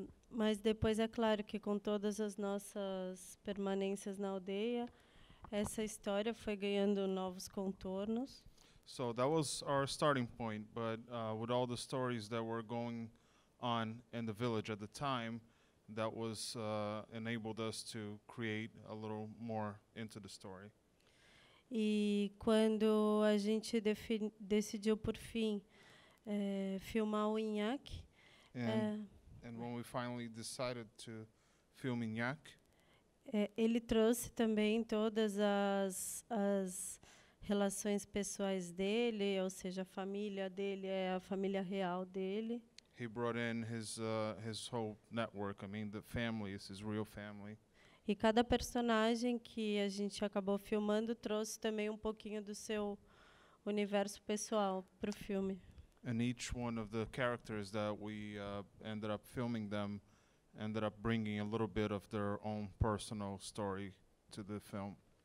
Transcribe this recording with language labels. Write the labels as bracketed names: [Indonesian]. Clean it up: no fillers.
[Portuguese] Mas depois é claro que com todas as nossas permanências na aldeia, essa história foi ganhando novos contornos. [English] So that was our starting point, but with all the stories that were going on in the village at the time, that was enabled us to create a little more into the story. [Portuguese] E quando a gente decidiu por fim filmar o Ihjãc, [English] and when we finally decided to film Ihjãc, [Portuguese] ele trouxe também todas as relações pessoais dele, ou seja, a família dele é a família real dele. [English] He brought in his whole network, I mean, the family is his real family. [Portuguese] E cada personagem que a gente acabou filmando trouxe também pouquinho do seu universo pessoal pro filme. [English] And each one of the characters that we ended up filming them ended up bringing a little bit of their own personal story to the film.